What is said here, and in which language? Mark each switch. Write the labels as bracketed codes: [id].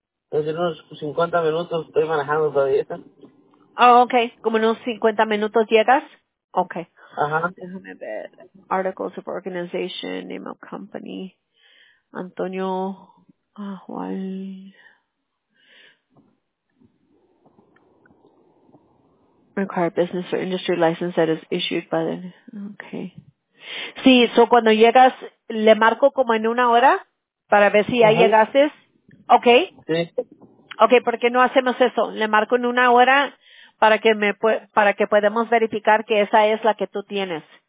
[es] Entonces, en unos 50 minutos estoy manejando todavía. Oh, okay. ¿Como en unos 50 minutos llegas? Okay. Ajá. Déjame ver. [en] Articles of Organization, Name of Company. Antonio. Juan. Required business or industry license that is issued by the... Okay. [es] Sí, so cuando llegas, le marco como en una hora para ver si ya llegaste. Okay. Sí. Okay, ¿por qué no hacemos eso? Le marco en una hora para que podamos verificar que esa es la que tú tienes.